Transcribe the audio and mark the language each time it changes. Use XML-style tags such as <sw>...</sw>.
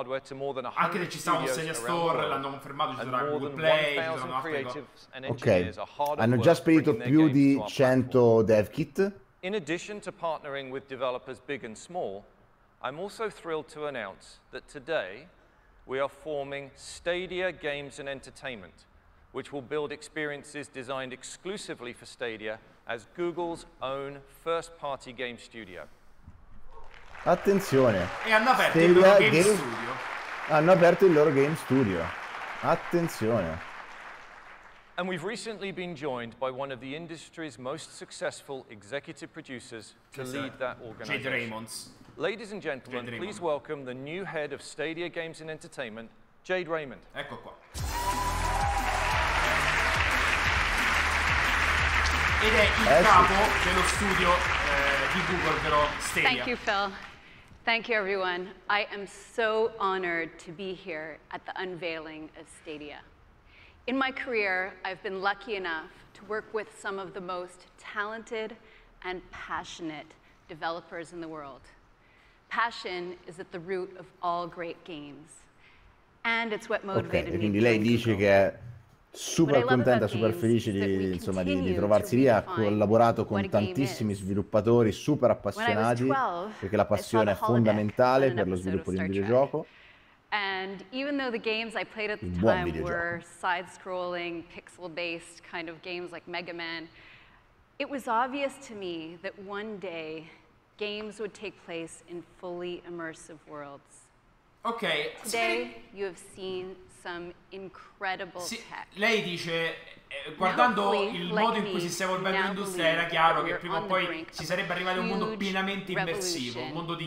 <it>Anche se ci sta un Stadia Store, l'hanno confermato, ci sarà Google Play, ci saranno altre cose. Ok, hanno già spedito più di 100 dev kit.</it> <en>In addition to partnering with developers big and small, I'm also thrilled to announce that today we are forming Stadia Games and Entertainment, which will build experiences designed exclusively for Stadia as Google's own first-party game studio.</en> <it>Attenzione! E hanno aperto Stadia il loro game studio. Hanno aperto il loro game studio. Attenzione!</it> <en>And we've recently been joined by one of the industry's most successful executive producers to lead that organization. Jade Raymond. Ladies and gentlemen, please welcome the new head of Stadia Games and Entertainment, Jade Raymond.</en> <it>Ecco qua. Ed è il capo dello studio di Google, però Stadia.</it> <en>Thank you, Phil. Thank you, everyone. I am so honored to be here at the unveiling of Stadia. In my career, I've been lucky enough to work with some of the most talented and passionate developers in the world. Passion is at the root of all great games, and it's what motivated me.</en> <it>Okay, quindi lei dice che è super contenta, super felice di trovarsi lì. Ha collaborato con tantissimi sviluppatori super appassionati, perché la passione è fondamentale per lo sviluppo di un videogioco.</it> <en>And even though the games I played at the time were side-scrolling, pixel-based kind of games like Mega Man, it was obvious to me that one day games would take place in fully immersive worlds. Okay. Today you have seen some incredible tech.</en> <it>Lei dice, guardando il modo in cui si sta evolvendo l'industria, era chiaro che prima o poi ci sarebbe arrivato un mondo pienamente immersivo, un mondo di</it>